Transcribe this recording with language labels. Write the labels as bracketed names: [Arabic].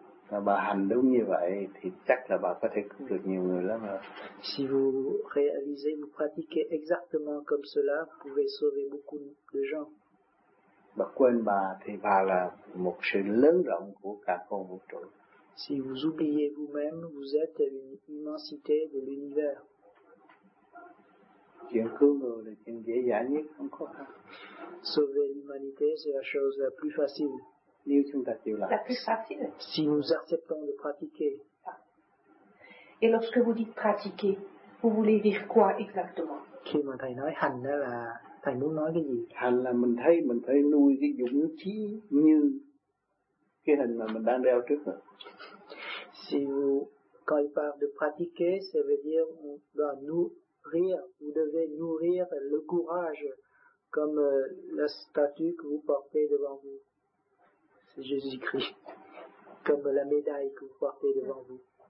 [Vietnamese] Là bà hành đúng như vậy thì chắc là bà có thể cứu được nhiều người lắm rồi. [French] Si vous réalisez, vous pratiquez exactement comme cela, vous pouvez sauver beaucoup de gens. [Vietnamese] Bà quên bà thì bà là một sự lớn rộng của cả con vũ trụ. [French] Si vous oubliez vous-même, vous êtes une immensité de l'univers. [Vietnamese] Chuyện cứu người là chuyện dễ dàng nhất, không khó khăn. [French] Sauver l'humanité, c'est la chose la plus facile. [Vietnamese] Nếu chúng ta chịu là. [French] La plus facile. Si nous acceptons de pratiquer. Et lorsque vous dites pratiquer, vous voulez dire quoi exactement? [Vietnamese] Khi mà thầy nói hành đó là thầy muốn nói cái gì? Hành là mình thấy nuôi cái dũng khí như cái hình mà mình đang đeo trước rồi. [French] Si vous, quand il parle de pratiquer, ça veut dire on doit nourrir, vous devez nourrir le courage comme la statue que vous portez devant vous. C'est Jésus-Christ, comme la médaille que vous portez devant vous.